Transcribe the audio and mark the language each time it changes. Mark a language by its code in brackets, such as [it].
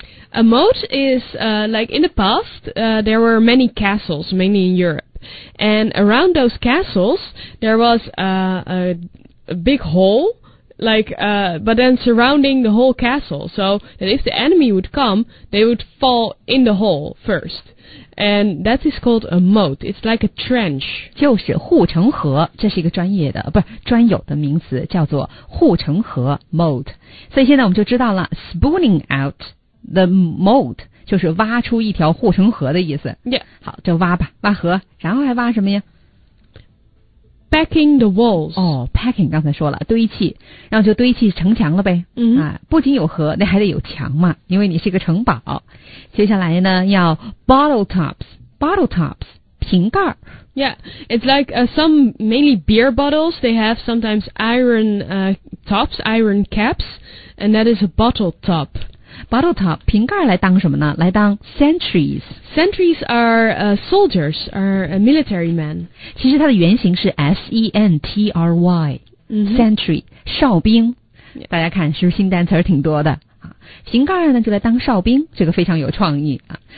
[en] A moat is like in the past, there were many castles, mainly in Europe. And around those castles, there was a big hole, but then surrounding the whole castle. So that if the enemy would come, they would fall in the hole first. And that is called a moat. It's like a trench. [zh] 就是护城河，这是一个专业的，不是专有的名词，叫做护城河 moat. 所以现在我们就知道了 ， [en] spooning out the moat [zh] 就是挖出一条护城河的意思。 [en] Yeah. [zh] 好，就挖吧，挖河，然后还挖什么呀 [en] ？Packing the walls. [zh] 哦 ，packing 刚才说了堆砌，然后就堆砌城墙了呗。嗯、啊，不仅有河，那还得有墙嘛，因为你是一个城堡。接下来呢，要 bottle tops 瓶盖。 [en] Yeah, it's like some mainly beer bottles. They have sometimes iron tops, iron caps, and that is a bottle top. [zh] Bottle top 瓶盖来当什么呢？来当 sentries. [en] Sentries are soldiers, are military men. [zh] 其实它的原型是 sentry,、 mm-hmm. sentry 哨兵。大家看，是不是新单词挺多的？瓶盖呢就来当哨兵，这个非常有创意啊。